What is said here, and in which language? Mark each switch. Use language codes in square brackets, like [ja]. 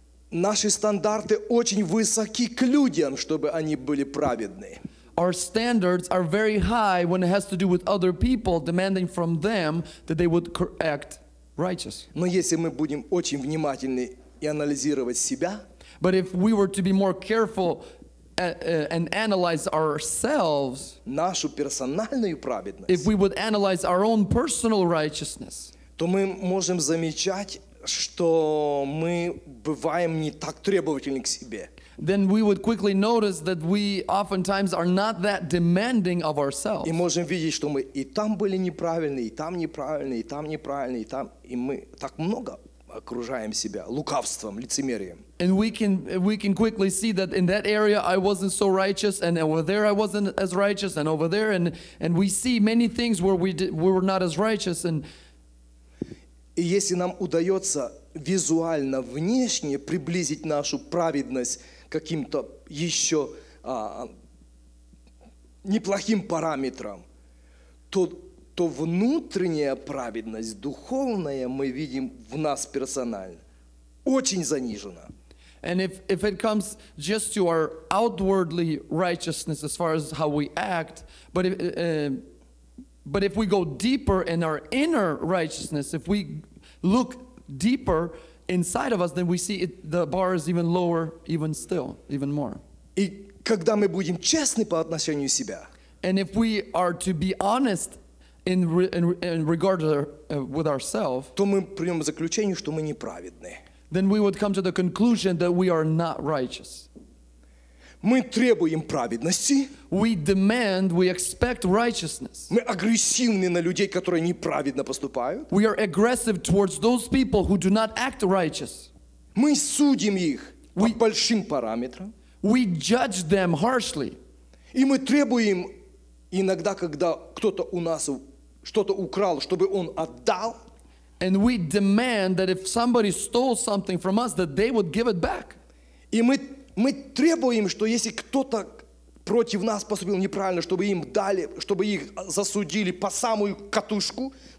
[ru] Наши стандарты очень высоки к людям, чтобы они были праведны. [en] Our standards are very high when it has to do with other people, demanding from them that they would act righteous. [ru] Но если мы будем очень внимательны и анализировать себя, [en] but if we were to be more careful and analyze ourselves, [ru] нашу персональную праведность, [en] if we would analyze our own personal righteousness, [ru] то мы можем замечать, что мы бываем не так требовательны к себе. [en] Then we would quickly notice that we oftentimes are not that demanding of ourselves. [ru] И можем видеть, что мы и там были неправильны, и там неправильны, и там неправильны, и там, и мы так много окружаем себя лукавством, лицемерием. [en] And we can quickly see that in that area I wasn't so righteous, and over there I wasn't as righteous, and over there, and we see many things where we were not as righteous. And [ru] и если нам удается визуально, внешне приблизить нашу праведность к каким-то еще неплохим параметрам, то внутренняя праведность, духовная, мы видим в нас персонально, очень занижена. [en] And if it comes just to our outwardly righteousness as far as how we act, but if we go deeper in our inner righteousness, if we look deeper inside of us, then we see it, the bar is even lower, even still, even more. [ru] И когда мы будем честны по отношению к себя, [en] and if we are to be honest in regard to with ourselves, [ru] то мы придем к заключению, что мы неправедны. [en] Then we would come to the conclusion that we are not righteous. [ru] Мы требуем праведности. [en] We demand, we expect righteousness. [ru] Мы агрессивны на людей, которые неправедно поступают. [en] We are aggressive towards those people who do not act righteous. [ru] Мы судим их по большим параметрам. [en] We judge them harshly. [ru] И мы требуем иногда, когда кто-то у нас что-то украл, чтобы он отдал. [en] And we demand that if somebody stole something from us, that they would give it back. [ru] И мы требуем, что если кто-то против нас поступил неправильно, чтобы им дали, чтобы их засудили по самую катушку.